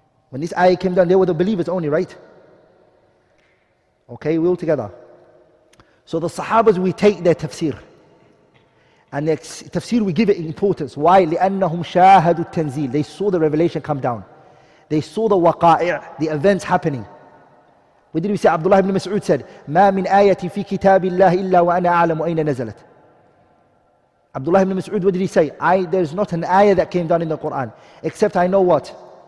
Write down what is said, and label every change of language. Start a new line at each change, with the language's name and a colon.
English: When this ayah came down, they were the believers only, right? Okay, we all together. So the Sahabas, we take their tafsir. And the tafsir, we give it importance. Why?
Arabic: لأنهم شاهدوا التنزيل.
English: They saw the revelation come down. They saw the waqa'i', the events happening. What did we say?
Arabic: Abdullah ibn Mas'ud said, ما من آية في كتاب الله إلا وأنا أعلم أين نزلت.
English: Abdullah ibn Mas'ud, what did he say? There is not an ayah that came down in the Quran, except I know what?